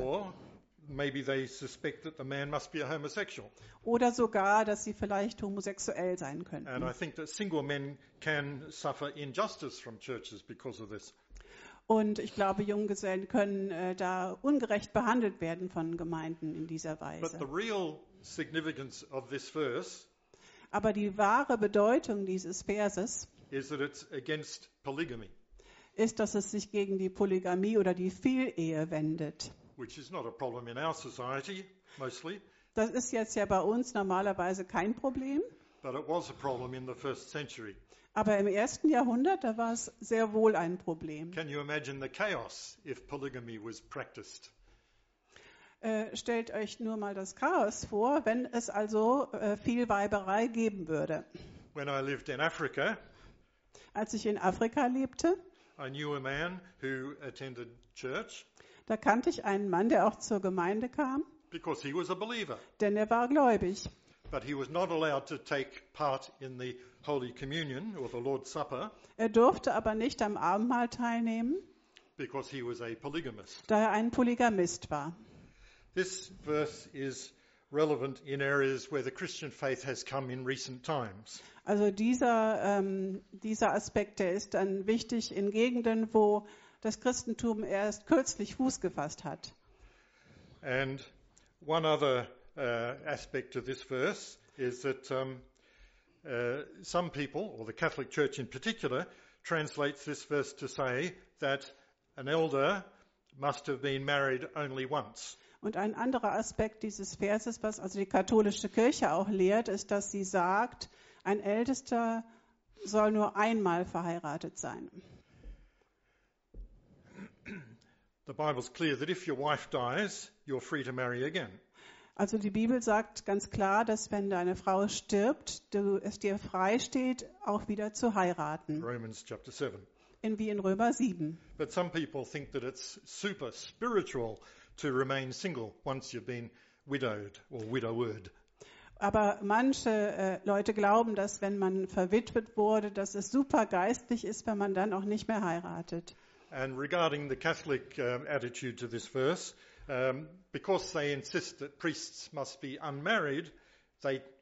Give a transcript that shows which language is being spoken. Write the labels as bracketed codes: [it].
[en] Or maybe they suspect that the man must be a homosexual. [de] Oder sogar, dass sie vielleicht homosexuell sein könnten. [en] And I think that single men can suffer injustice from churches because of this. [de] Und ich glaube, Junggesellen können da ungerecht behandelt werden von Gemeinden in dieser Weise. [en] But the real significance of this verse, [de] aber die wahre Bedeutung dieses Verses [en] is that it's against polygamy, [de] ist, dass es sich gegen die Polygamie oder die Vielehe wendet. [en] Which is not a problem in our society, mostly. [de] Das ist jetzt ja bei uns normalerweise kein Problem. [en] But it was a problem in the first century. [de] Aber im ersten Jahrhundert, da war es sehr wohl ein Problem. [en] Can you imagine the chaos if polygamy was practiced? [de] Stellt euch nur mal das Chaos vor, wenn es also viel Weiberei geben würde. [en] When I lived in Africa, [de] als ich in Afrika lebte, [en] I knew a man who attended church, [de] da kannte ich einen Mann, der auch zur Gemeinde kam, [en] because he was a believer. [de] Denn er war gläubig. [en] But he was not allowed to take part in the Holy Communion or the Lord's Supper. [de] Er durfte aber nicht am Abendmahl teilnehmen, [en] because he was a polygamist. [de] Da er ein Polygamist war. [en] This verse is relevant in areas where the Christian faith has come in recent times. [de] Also dieser Aspekt, der ist dann wichtig in Gegenden, wo das Christentum erst kürzlich Fuß gefasst hat. [en] And one other aspect of this verse is that some people, or the Catholic Church in particular, translates this verse to say that an elder must have been married only once. [de] Und ein anderer Aspekt dieses Verses, was also die katholische Kirche auch lehrt, ist, dass sie sagt, ein Ältester soll nur einmal verheiratet sein. [en] The Bible's clear that if your wife dies, you're free to marry again. [de] Also die Bibel sagt ganz klar, dass wenn deine Frau stirbt, du es dir frei steht, auch wieder zu heiraten. [en] Romans chapter 7. [de] Wie in Römer 7. [en] But some people think that it's super spiritual to remain single once you've been widowed or widowed. [de] Aber manche Leute glauben, dass wenn man verwitwet wurde, dass es super geistlich ist, wenn man dann auch nicht mehr heiratet. [en] And regarding the Catholic attitude to this verse, because they insist that priests must be unmarried, they